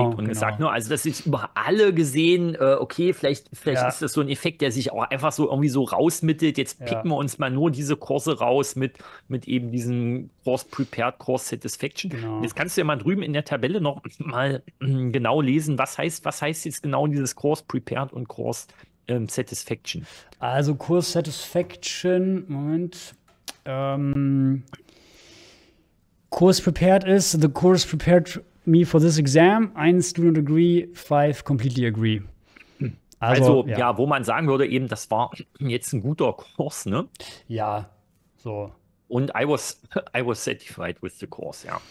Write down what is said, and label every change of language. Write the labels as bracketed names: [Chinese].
[German] überlegt und gesagt, ne, also das ist über alle gesehen, okay, vielleicht ist das so ein Effekt, der sich auch einfach so irgendwie so rausmittelt, jetzt picken wir uns mal nur diese Kurse raus mit eben diesem Course Prepared, Course Satisfaction. Genau. Jetzt kannst du ja mal drüben in der Tabelle noch mal genau lesen, was heißt jetzt genau dieses Course Prepared und Course Satisfaction? [English] Also Course Satisfaction, [German] Moment, [English] Course prepared is, the course prepared me for this exam. Eins, do not agree. Five, completely agree. [German] Also, wo man sagen würde, eben, das war jetzt ein guter Kurs, ne? Ja, so. Und [English] I was satisfied with the course, ja.